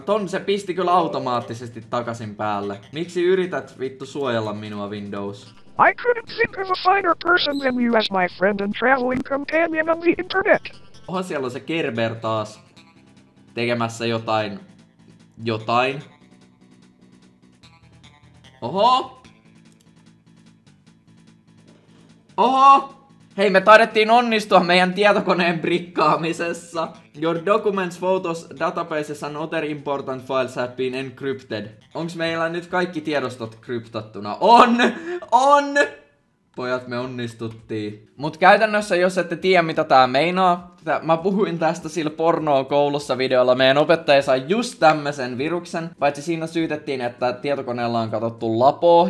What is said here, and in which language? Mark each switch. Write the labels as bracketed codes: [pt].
[fi] Ton se pisti kyllä automaattisesti takaisin päälle. Miksi yrität vittu suojella minua, Windows? [en] I couldn't think of a finer person than you as my friend and traveling companion on the internet. [fi] Oha, siellä on se Gerber taas tekemässä jotain. Jotain. Oho! Oho! Hei, me taidettiin onnistua meidän tietokoneen brikkaamisessa. [en] Your documents, photos, databases and other important files have been encrypted. [fi] Onks meillä nyt kaikki tiedostot kryptattuna? On! On! Pojat, me onnistuttiin. Mut käytännössä, jos ette tiedä mitä tää meinaa, mä puhuin tästä sillä pornoa koulussa videolla. Meidän opettaja sai just tämmösen viruksen. Paitsi siinä syytettiin, että tietokoneella on katsottu lapoa.